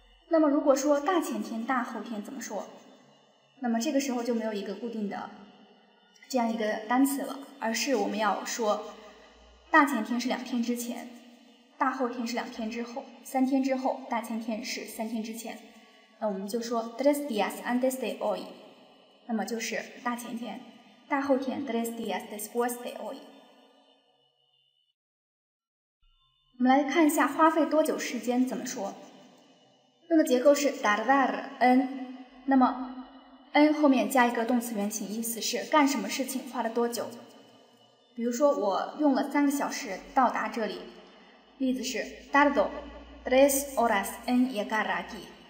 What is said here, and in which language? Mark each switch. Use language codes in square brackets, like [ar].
[zh] 那么如果说大前天、大后天怎么说，那么这个时候就没有一个固定的这样一个单词了，而是我们要说大前天是两天之前，大后天是两天之后，三天之后，大前天是三天之前。那我们就说 [es] tres días antes de hoy， [zh] 那么就是大前天，大后天 [es] tres días después de hoy。 [zh] 我们来看一下花费多久时间怎么说，用的结构是 tardar en， 那么 en 后面加一个动词原形，意思是干什么事情花了多久。比如说我用了三个小时到达这里，例子是 [es] tardo tres horas en llegar aquí。